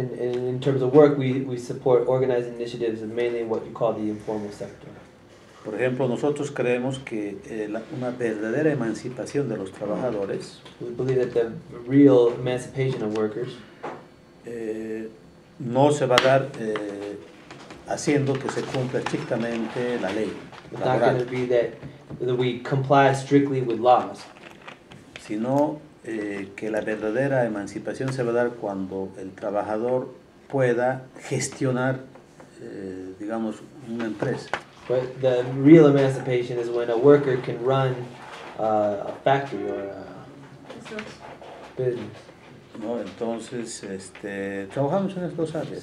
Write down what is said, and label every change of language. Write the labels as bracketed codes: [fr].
[en] And in terms of work, we support organizing initiatives and mainly what you call the informal sector. [es] Por ejemplo, nosotros creemos que una verdadera emancipación de los trabajadores, [en] we believe that the real emancipation of workers, [es] no se va a dar haciendo que se cumpla estrictamente la ley. [en] It's not going to be that we comply strictly with laws. [es] Sino que la verdadera emancipación se va a dar cuando el trabajador pueda gestionar, digamos, una empresa. [en] But the real emancipation is when a worker can run a factory or a business. [es] No, entonces, trabajamos en estas áreas.